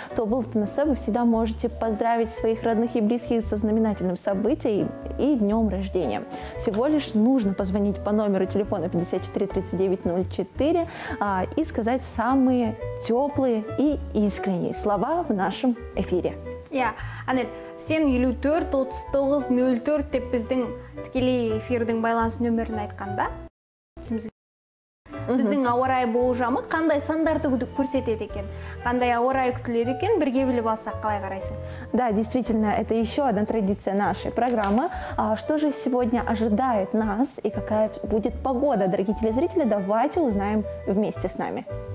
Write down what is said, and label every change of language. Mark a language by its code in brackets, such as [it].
[ru] То Тобол-Тунасы, вы всегда можете поздравить своих родных и близких со знаменательным событием и днем рождения. Всего лишь нужно позвонить по номеру телефона 543904 и сказать самые теплые и искренние слова в нашем эфире. [kk] Анель, сен 54-39-04 деп біздің тікелей эфирдің байланыс нөмірін айтқанда, біздің ауарай болжамы қандай сандарды көрсетеді екен, қандай ауарай күтіледі екен, бірге біліп алсақ қалай қарайсың? [ru] Да, действительно, это еще одна традиция нашей программы. Что же сегодня ожидает нас и какая будет погода, дорогие телезрители, давайте узнаем вместе с нами.